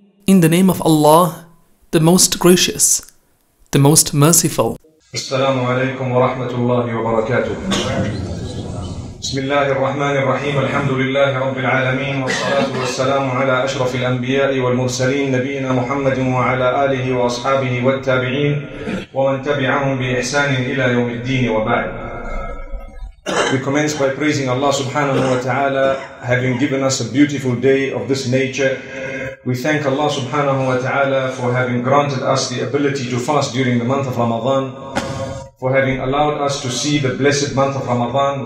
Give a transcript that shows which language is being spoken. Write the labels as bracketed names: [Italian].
[English] In the name of Allah, the Most Gracious, the Most Merciful. [Arabic] السلام عليكم ورحمة الله وبركاته. بسم الله الرحمن الرحيم. الحمد لله رب العالمين والصلاة والسلام على أشرف الأنبياء والمرسلين نبينا محمد وعلى آله وأصحابه والتابعين ومن تبعهم بإحسان إلى يوم الدين وبعد. [English] We commence by praising Allah subhanahu wa ta'ala, having given us a beautiful day of this nature. We thank Allah subhanahu wa ta'ala for having granted us the ability to fast during the month of Ramadan, for having allowed us to see the blessed month of Ramadan.